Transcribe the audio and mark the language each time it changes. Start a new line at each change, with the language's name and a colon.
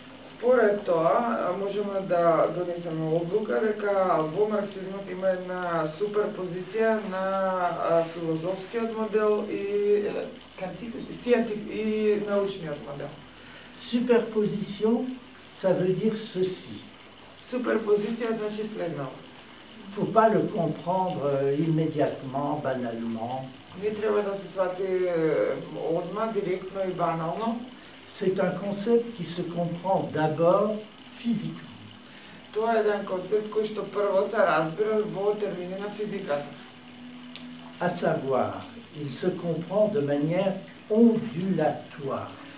Macedonian: Според тоа, можеме да донесеме одлука дека во марксизмот има една суперпозиција на филозофскиот модел и научниот модел.
French: Superposition, ça veut dire ceci.
Macedonian: Суперпозиција значи следно.
French: Faut pas le comprendre immédiatement, banalement.
Macedonian: Не треба да се свати одма, директно и банално.
French: C'est un concept qui se comprend d'abord physiquement.
Macedonian: Тоа е еден концепт кој што прво се разбира во термини на физиката.
French: À savoir, il se comprend de manière ondulatoire.